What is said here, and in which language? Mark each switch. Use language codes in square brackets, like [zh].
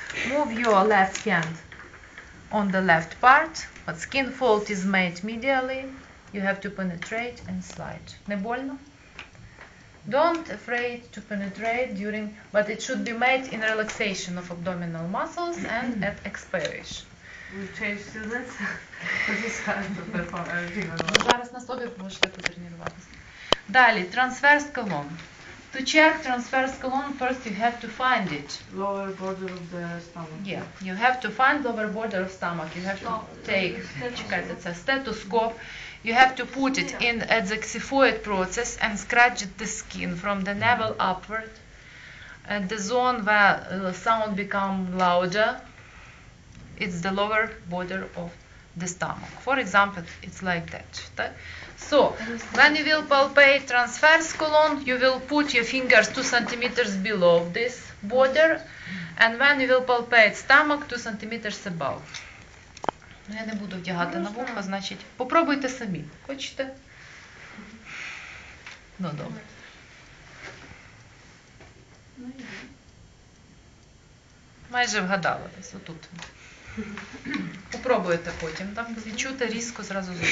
[en] Move your left hand on the left part, but skin fold is made medially. You have to penetrate and slide. [ru] Не больно? [en] Don't afraid to penetrate during, but it should be made in relaxation of abdominal muscles and at expiration. We change students. But it's hard to perform everything. [uk] Зараз на собі будеш так тренуватися. Далі, transverse colon. [en] To check transverse colon, first you have to find it. Lower border of the stomach. Yeah, you have to find lower border of stomach. You have to take, [uk] чекайте, це стетоскоп. [en] You have to put it in at the xiphoid process and scratch the skin from the navel upward at the zone where the sound become louder. It's the lower border of the stomach. For example, it's like that. So, when you will palpate transverse colon, you will put your fingers 2 centimeters below this border, and when you will palpate stomach, 2 centimeters above. [uk] Ну, я не буду вдягати на вуха, значить, попробуйте самі. Хочете? Ну, добре. Майже вгадала десь, отут. Попробуйте потім, там відчути різко зразу.